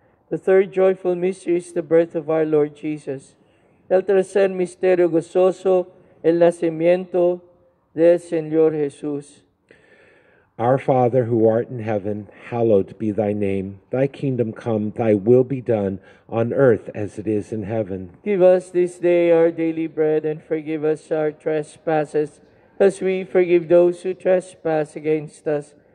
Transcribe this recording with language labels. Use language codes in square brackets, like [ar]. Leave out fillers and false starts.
[en] The third joyful mystery is the birth of our Lord Jesus. [es] El tercer misterio gozoso, el nacimiento del Señor Jesús. [en] Our Father, who art in heaven, hallowed be thy name. Thy kingdom come, thy will be done, on earth as it is in heaven. Give us this day our daily bread, and forgive us our trespasses, as we forgive those who trespass against us.